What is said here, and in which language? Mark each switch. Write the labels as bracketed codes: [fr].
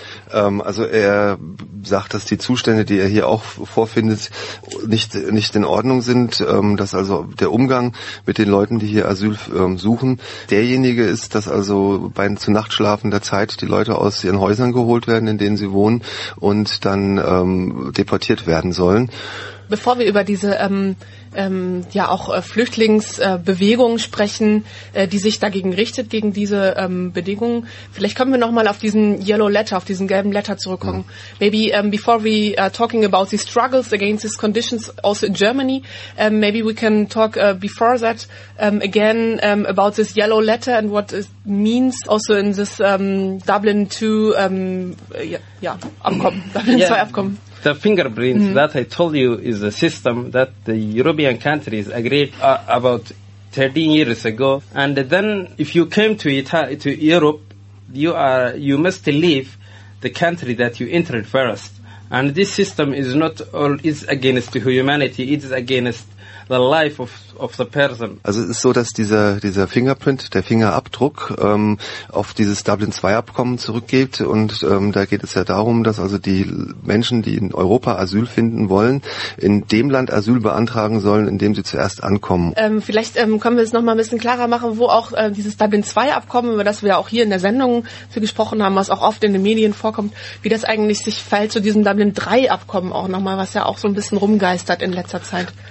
[de] Also er sagt, dass die Zustände, die er hier auch vorfindet, nicht in Ordnung sind, dass also der Umgang mit den Leuten, die hier Asyl suchen, derjenige ist, dass also bei zu Nacht schlafender Zeit die Leute aus ihren Häusern geholt werden, in denen sie wohnen und dann deportiert werden sollen. Bevor wir über diese Flüchtlingsbewegung sprechen, die sich dagegen richtet, gegen diese Bedingungen, vielleicht können wir nochmal auf diesen [en] yellow letter, [de] auf diesen gelben Letter zurückkommen. [en] Maybe before we are talking about the struggles against these conditions also in Germany, maybe we can talk before that again about this yellow letter and what it means also in this Dublin II Abkommen. [de] Dublin II Abkommen. [en] The fingerprints that I told you is a system that the European countries agreed about 13 years ago. And then if you came to Europe, you must leave the country that you entered first. And this system is not all, is against humanity, it is against the life of the person. [de] Also es ist so, dass dieser Fingerprint, der Fingerabdruck, auf dieses Dublin II Abkommen zurückgeht und da geht es ja darum, dass also die Menschen, die in Europa Asyl finden wollen, in dem Land Asyl beantragen sollen, in dem sie zuerst ankommen. Vielleicht können wir es nochmal ein bisschen klarer machen, wo auch dieses Dublin II Abkommen, über das wir auch hier in der Sendung für gesprochen haben, was auch oft in den Medien vorkommt, wie das eigentlich sich verhält zu diesem Dublin III Abkommen auch nochmal, was ja auch so ein bisschen rumgeistert in letzter Zeit.